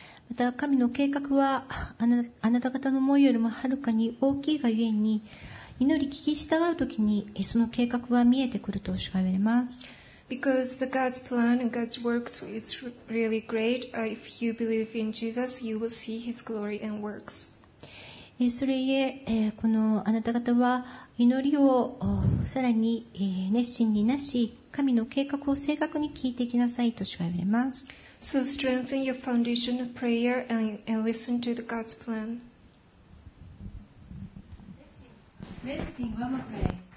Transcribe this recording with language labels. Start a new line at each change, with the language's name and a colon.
Japanese: また神の計画はあなた方の思いよりもはるかに大きいがゆえに、祈り聞き従うときにその計画は見えてくると主は言われます。
English: Because the God's plan and God's work is really great. If you believe in Jesus, you will see His glory and works.
Japanese: それゆえ、このあなた方は祈りをさらに熱心になし、神の計画を正確に聞いていきなさいと主は言われます。
English: So strengthen your foundation of prayer and listen to the God's plan. Blessing, one more prayer.